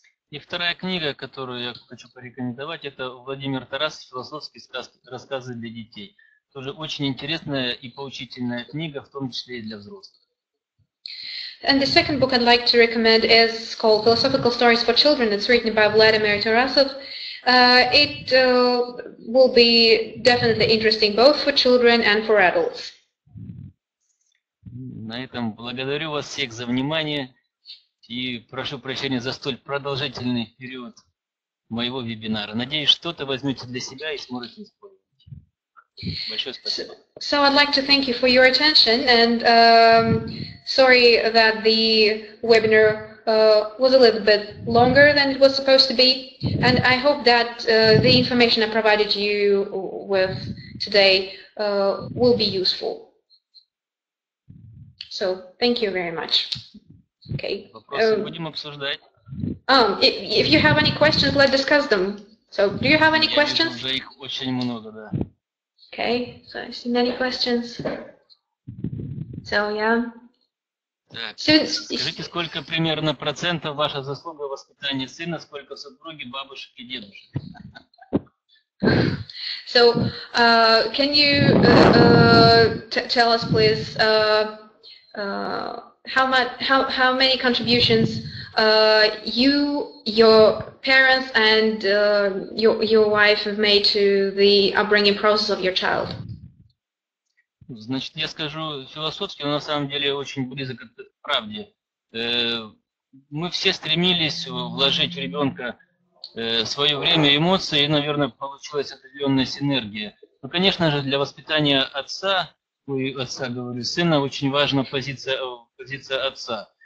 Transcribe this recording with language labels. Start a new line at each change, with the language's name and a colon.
Russian: И вторая книга, которую я хочу порекомендовать, это Владимир Тарасов «Философские рассказы для детей». Тоже очень интересная и поучительная книга, в том числе и для взрослых.
English: And the second book I'd like to recommend is called Philosophical Stories for Children. It's written by Vladimir Tarasov. It will be definitely interesting both for children and for adults.
Russian: На этом благодарю вас всех за внимание и прошу прощения за столь продолжительный период моего вебинара. Надеюсь, что-то возьмете для себя и сможете использовать. Большое спасибо.
English: So I'd like to thank you for your attention and sorry that the webinar was a little bit longer than it was supposed to be, and I hope that the information I provided you with today will be useful. So thank you very much. Okay.
Russian: Будем обсуждать.
English: If you have any questions, let's discuss them. So do you have any questions?
Russian: Я вижу, их очень много, да.
English: Okay. So I see many questions. So yeah.
Russian: Так, скажите, сколько примерно процентов ваша заслуга в воспитании сына, сколько супруги, бабушек и дедушек?
English: So, can you tell us, please, how many contributions you, your parents and your wife have made to the upbringing process of your child?
Russian: Значит, я скажу философски, но на самом деле очень близок к правде. Мы все стремились вложить в ребенка свое время, эмоции, и, наверное, получилась определенная синергия. Ну, конечно же, для воспитания отца, ой, отца, говорю, сына, очень важна позиция отца.